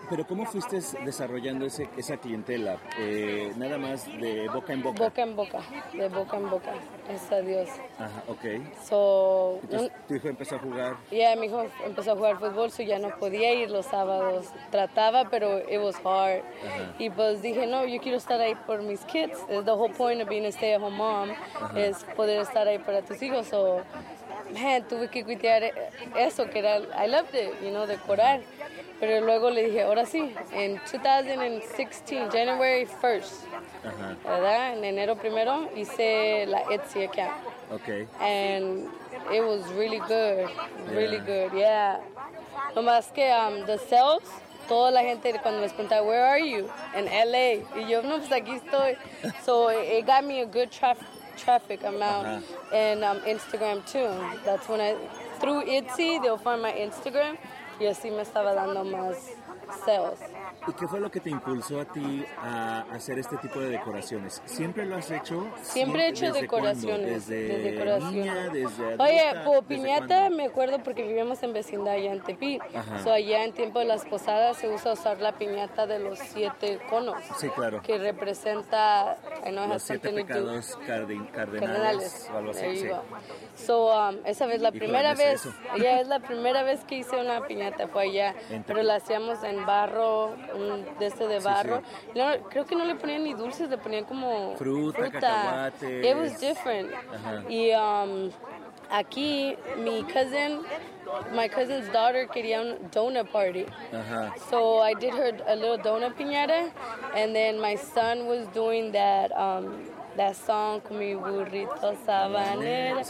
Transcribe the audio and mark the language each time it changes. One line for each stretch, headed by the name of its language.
Spanish: ¿Pero cómo fuiste desarrollando esa clientela? Nada más de boca en boca. Boca en boca, de boca en boca, gracias a Dios. Ajá, ok. Entonces, ¿tu hijo empezó a jugar? Ya, mi hijo empezó a jugar fútbol, so ya no podía ir los sábados. Trataba, pero
English: it was hard.
Spanish: Ajá. Y pues dije, no, yo quiero estar ahí por mis kids.
English: The whole point of being a stay-at-home mom.
Spanish: Ajá. Es poder estar ahí para tus hijos. So, man, tuve que cuidar eso, que era,
English: I loved it, you know,
Spanish: decorar. Pero luego le dije, ahora sí, en 2016,
English: January 1st,
Spanish: uh-huh. ¿verdad? En enero primero, hice la Etsy account.
English: Okay. And it was really good, really yeah. good, yeah.
Spanish: Nomás que
English: the sales,
Spanish: toda la gente cuando les pregunta,
English: where are you? In LA.
Spanish: Y yo, no, pues aquí estoy.
English: So it got me a good traffic amount uh-huh. and Instagram too. That's when I, through Etsy, they'll find my Instagram.
Spanish: Y así me estaba dando más sales. ¿Y qué fue lo que te impulsó a ti a hacer este tipo de decoraciones? ¿Siempre lo has hecho? Siempre he hecho decoraciones. ¿Desde decoraciones. Niña, desde adulta? Oye, pues piñata me acuerdo porque vivíamos en vecindad allá en Tepí. So allá en tiempo de las posadas se usa usar la piñata de los siete conos. Sí, claro. Que representa... los siete pecados cardenales. O algo así. So, esa vez, la primera vez, ya es la primera vez que hice una piñata, fue allá, pero la hacíamos en barro, de barro, sí, sí. No, creo que no le ponían ni dulces, le ponían como fruta, cacahuates.
English: It was different,
Spanish: y aquí,
English: my cousin's daughter
Spanish: quería un
English: donut party, so I did her a little donut piñata, and then my son was doing that, that song,
Spanish: con mi burrito sabanero.